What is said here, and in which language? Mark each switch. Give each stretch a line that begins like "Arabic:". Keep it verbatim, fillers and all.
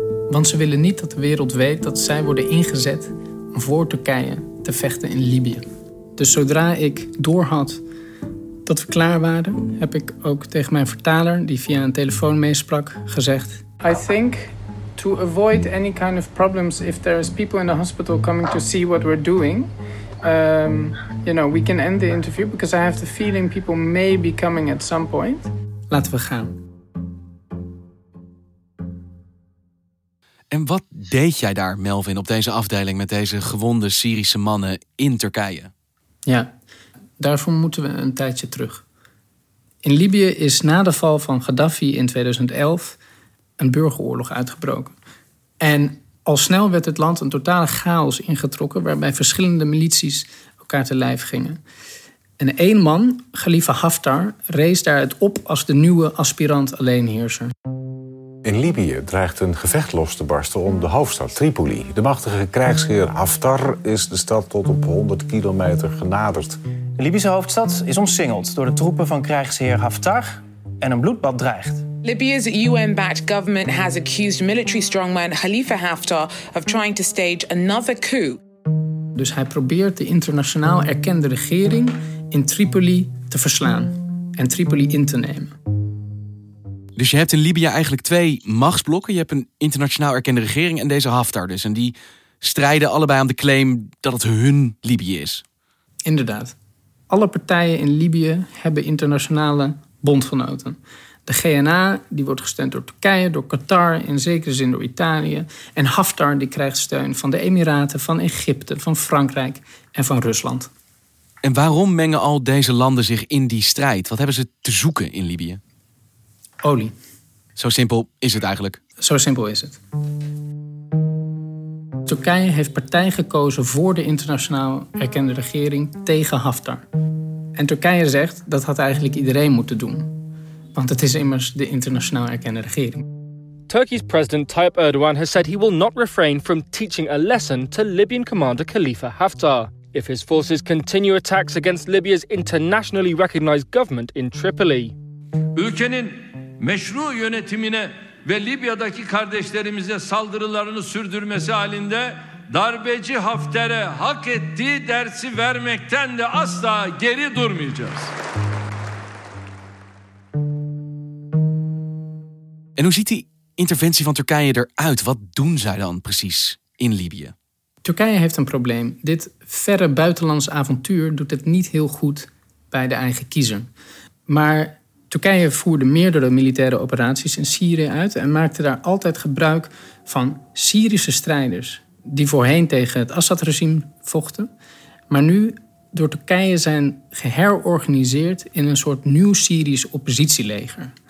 Dutch: Want ze willen niet dat de wereld weet dat zij worden ingezet om voor Turkije te vechten in Libië. Dus zodra ik doorhad dat we klaar waren, heb ik ook tegen mijn vertaler, die via een telefoon meesprak, gezegd:
English: I think to avoid any kind of problems if there is people in the hospital coming to see what we're doing. Um, you know, we can end the interview because I have the feeling people may be coming at some point.
Dutch: Laten we gaan. En wat deed jij daar, Melvin, op deze afdeling met deze gewonde Syrische mannen in Turkije? Ja, daarvoor moeten we een tijdje terug. In Libië is na de val van Gaddafi in tweeduizend elf een burgeroorlog uitgebroken. En al snel werd het land een totale chaos ingetrokken, waarbij verschillende milities elkaar te lijf gingen. En één man, Khalifa Haftar, rees daaruit op als de nieuwe aspirant alleenheerser. In Libië dreigt een gevecht los te barsten om de hoofdstad Tripoli. De machtige krijgsheer Haftar is de stad tot op honderd kilometer genaderd. De Libische hoofdstad is omsingeld door de troepen van krijgsheer Haftar en een bloedbad dreigt.
English: Libya's U N-backed government has accused military strongman Khalifa Haftar of trying to stage another coup.
Dutch: Dus hij probeert de internationaal erkende regering in Tripoli te verslaan en Tripoli in te nemen. Dus je hebt in Libië eigenlijk twee machtsblokken. Je hebt een internationaal erkende regering en deze Haftar dus. En die strijden allebei aan de claim dat het hun Libië is. Inderdaad. Alle partijen in Libië hebben internationale bondgenoten. De G N A die wordt gesteund door Turkije, door Qatar, in zekere zin door Italië. En Haftar die krijgt steun van de Emiraten, van Egypte, van Frankrijk en van Rusland. En waarom mengen al deze landen zich in die strijd? Wat hebben ze te zoeken in Libië? Olie. Zo simpel is het eigenlijk. Zo simpel is het. Turkije heeft partij gekozen voor de internationaal erkende regering tegen Haftar. En Turkije zegt dat had eigenlijk iedereen moeten doen. Want het is immers de internationaal erkende regering.
English: Turkey's president Tayyip Erdogan has said he will not refrain from teaching a lesson to Libyan commander Khalifa Haftar if his forces continue attacks against Libya's internationally recognized government in Tripoli.
Turkish: Ülkenin meşru yönetimine ve Libya'daki kardeşlerimize saldırılarını sürdürmesi halinde darbeci Hafter'e hak ettiği dersi vermekten de asla geri durmayacağız.
Dutch: En hoe ziet die interventie van Turkije eruit? Wat doen zij dan precies in Libië? Turkije heeft een probleem. Dit verre buitenlands avontuur doet het niet heel goed bij de eigen kiezer. Maar Turkije voerde meerdere militaire operaties in Syrië uit en maakte daar altijd gebruik van Syrische strijders die voorheen tegen het Assad-regime vochten, maar nu door Turkije zijn geherorganiseerd in een soort nieuw Syrisch oppositieleger.